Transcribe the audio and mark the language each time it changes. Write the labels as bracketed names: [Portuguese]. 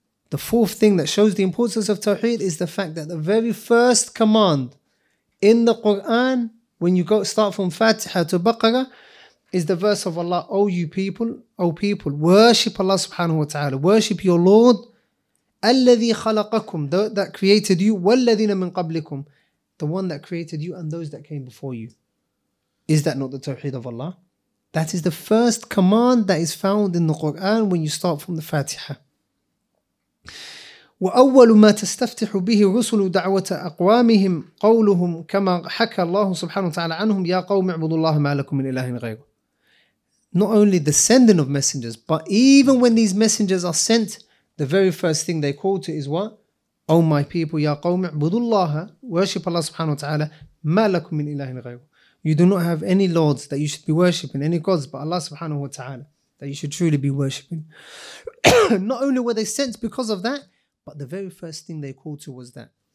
[English] The fourth thing that shows the importance of Tawheed is the fact that the very first command in the Quran, when you start from Fatiha to Baqarah, is the verse of Allah, O people, worship Allah subhanahu wa ta'ala, worship your Lord, [Arabic] الَّذِي خَلَقَكُمْ, [English] that created you, [Arabic] وَالَّذِينَ مِنْ قَبْلِكُمْ, [English] the one that created you and those that came before you. Is that not the Tawheed of Allah? That is the first command that is found in the Quran when you start from the Fatiha. [Arabic] وَأَوَّلُ مَا تَسْتَفْتِحُ بِهِ الرُّسُلُ دَعْوَةَ أَقْوَامِهِمْ قَوْلُهُمْ كَمَا حَكَى اللَّهُ سُبْحَانَهُ وَتَعَالَى عَنْهُمْ يَا قَوْمِ اعْبُدُوا اللَّهَ مَا لَكُمْ مِنْ إِلَٰهٍ غَيْرُ [English] Not only the sending of messengers, but even when these messengers are sent, the very first thing they call to is what? O my people, [Arabic] يَا قَوْمِ اعْبُدُوا اللَّهَ [English] Worship Allah subhanahu wa ta'ala, [Arabic] مَا لَكُمْ مِنْ إِلَٰهٍ غَيْرُ [English] You do not have any lords that you should be worshipping, any gods, but Allah subhanahu wa ta'ala, that you should truly be worshipping. Not only were they sent because of that, but the very first thing they called to was that.